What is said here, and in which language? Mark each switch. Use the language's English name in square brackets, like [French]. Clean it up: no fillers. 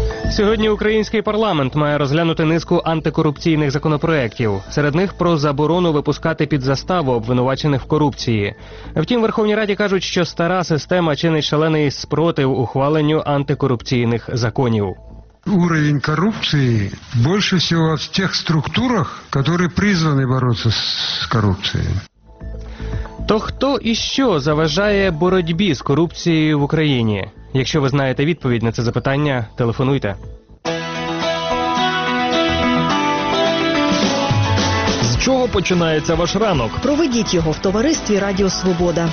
[Ukrainian] Сьогодні український парламент має розглянути низку антикорупційних законопроєктів. Серед них про заборону випускати під заставу обвинувачених в корупції. Втім, Верховній Раді кажуть, що стара система чинить шалений спротив ухваленню антикорупційних законів. [Russian] Уровень коррупции больше всего в тех структурах, которые призваны бороться с коррупцией. [Ukrainian] То хто і що заважає боротьбі з корупцією в Україні? Якщо ви знаєте відповідь на це запитання, телефонуйте. Чого починається ваш ранок? Проведіть його в товаристві Радіо Свобода.